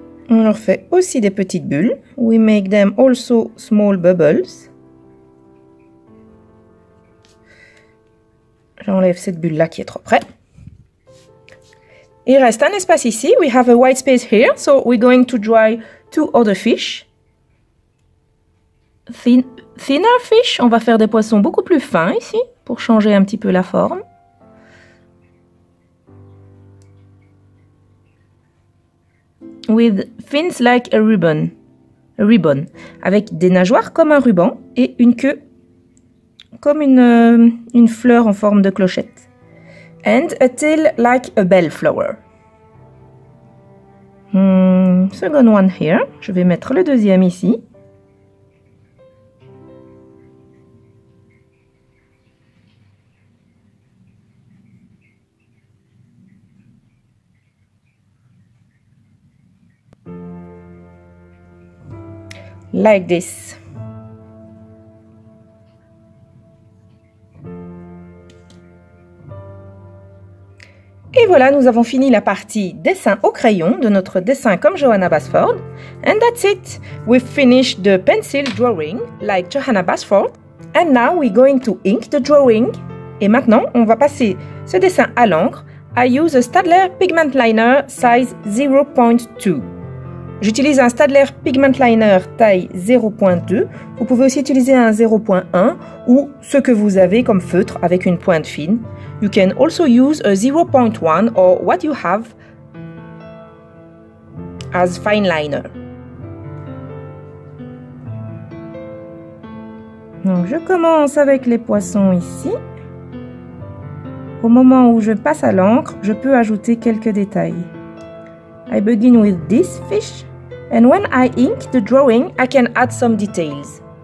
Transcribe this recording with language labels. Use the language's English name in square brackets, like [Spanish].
[French] On leur fait aussi des petites bulles. [English] We make them also small bubbles. [French] J'enlève cette bulle-là qui est trop près. Il reste un espace ici. [English] We have a white space here. So we're going to draw two other fish. Thinner fish. [French] On va faire des poissons beaucoup plus fins ici pour changer un petit peu la forme. [English] With fins like a ribbon. [French] Avec des nageoires comme un ruban et une queue comme une fleur en forme de clochette. [English] And a tail like a bell flower. Second one here. [French] Je vais mettre le deuxième ici. [English] Like this. [French] Et voilà, nous avons fini la partie dessin au crayon de notre dessin comme Johanna Basford. [English] And that's it. We've finished the pencil drawing like Johanna Basford. And now we're going to ink the drawing. [French] Et maintenant, on va passer ce dessin à l'encre. [English] I use a Staedtler pigment liner size 0.2. [French] J'utilise un Staedtler Pigment Liner taille 0.2. Vous pouvez aussi utiliser un 0.1 ou ce que vous avez comme feutre avec une pointe fine. [English] You can also use a 0.1 or what you have as fine liner. [French] Donc je commence avec les poissons ici. Au moment où je passe à l'encre, je peux ajouter quelques détails. [English] I begin with this fish. And when I ink the drawing, I can add some details.